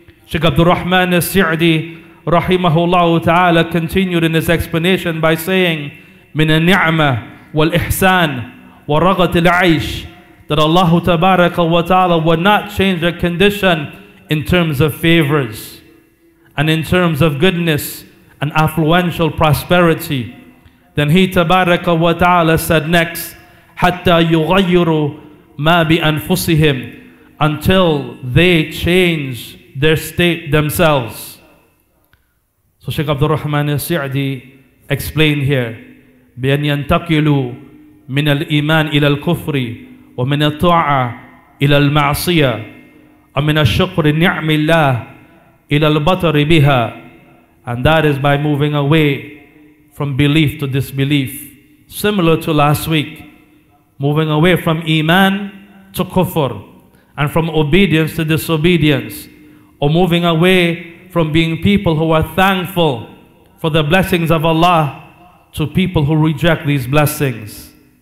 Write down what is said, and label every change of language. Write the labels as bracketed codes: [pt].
[en] Shaykh Abdul Rahman al-Si'di rahimahullah ta'ala continued in his explanation by saying, [ar] min al-ni'mah wal-ihsan wa ragat al-aish, [en] that Allah tabaraka wa ta'ala would not change the condition in terms of favors and in terms of goodness and affluential prosperity. Then he tabaraka wa ta'ala said next, [ar] hatta yughayyiru ma bi anfusihim, [en] until they change their state themselves. So Shaykh Abdul Rahman al-Si'di explained here, [ar] بِأَنْ يَنْتَقِلُوا مِنَ الْإِيمَانِ إِلَى الْكُفْرِ وَمِنَ الطُّعَى إِلَى الْمَعْصِيَةِ وَمِنَ الشُّكْرِ نِعْمِ اللَّهِ إِلَى الْبَطَرِ بِهَا. [en] And that is by moving away from belief to disbelief. Similar to last week, moving away from Iman to Kufr, and from obedience to disobedience, or moving away from being people who are thankful for the blessings of Allah to people who reject these blessings.